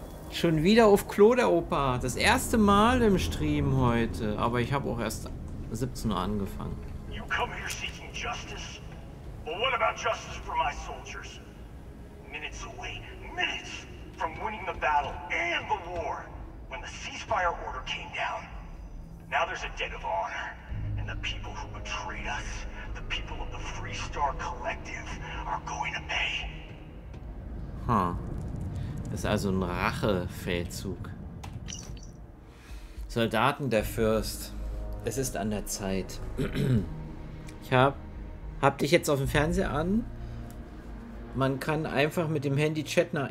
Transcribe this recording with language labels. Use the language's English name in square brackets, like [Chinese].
[German] Schon wieder auf Klo, der Opa. Das erste Mal im Stream heute. Aber ich habe auch erst 17 Uhr angefangen. [English] You come here seeking justice? Well, what about justice for my soldiers? Minutes away, minutes from winning the battle and the war. When the ceasefire order came down, now there's a debt of honor. And the people who betrayed us, the people of the Free Star Collective, are going to pay. Huh. [German] Ist also ein Rachefeldzug. Soldaten der Fürst, es ist an der Zeit. Ich hab dich jetzt auf dem Fernseher an. Man kann einfach mit dem Handy chatten.